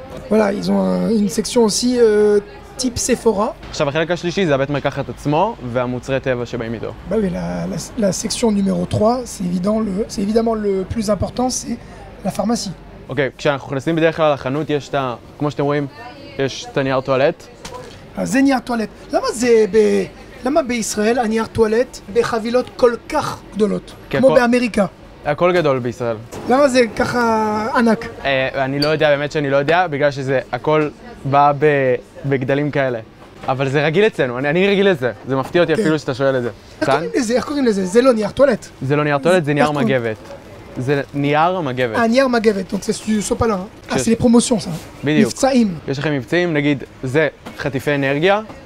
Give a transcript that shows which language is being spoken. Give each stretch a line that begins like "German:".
French: Voilà, ils ont une section aussi type Sephora. Maintenant, le partie 3, c'est Beit Merkachat עצמו et les produits de terre qui viennent avec. Bah oui, la section numéro 3, c'est évidemment le plus important, c'est la pharmacie. Ok, quand on est dans la chanout, il y a, comme vous le voyez,
Hebrew: יש את הנייר טואלט. אז זה נייר טואלט. למה זה למה בישראל הנייר טואלט בחבילות כל כך גדולות? כמו באמריקה. הכל גדול בישראל. למה זה ככה ענק? אני לא יודע, באמת שאני לא יודע, בגלל שזה הכל בא בגדלים כאלה. אבל זה רגיל אצלנו, אני רגיל לזה. זה מפתיע אותי אפילו שאתה שואל את זה. איך קוראים לזה? זה לא נייר טואלט. זה לא נייר טואלט, זה נייר מגבת. זה נייר מגבת. נייר מגבת,
French: donc c'est du sopalin. Ah, c'est les promotions, ça.
Hebrew: בדיוק. מבצעים. יש לכם מבצעים, נגיד, זה חטיפי אנרגיה.